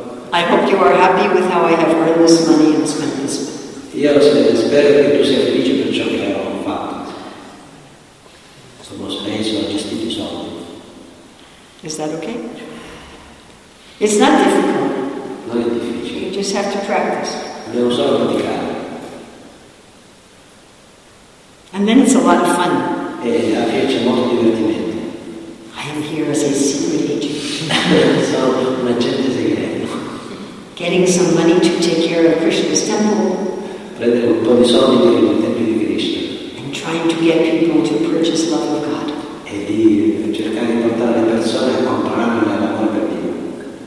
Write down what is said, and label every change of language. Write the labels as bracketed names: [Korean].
[English] I hope you are happy with how I have earned this money and spent this money. [Italian] Io spero che tu sia felice per ciò che ho fatto. Sono speso, ho gestito i soldi. [English] Is that okay? It's not difficult. [Italian] Non è difficile. [English] You just have to practice. [Italian] Devo solo praticare. [English] And then it's a lot of fun. [Italian] E alla fine c'è molto divertimento. [English] I am here as a secret agent. [Italian] Sono un agente segreto. [English] Getting some money to take care of Krishna's temple. [Italian] Prendere un po' di soldi per il tempio di Krishna. [English] And trying to get people to purchase love of God. [Italian] E di cercare di portare le persone a comprare l'amore per Dio.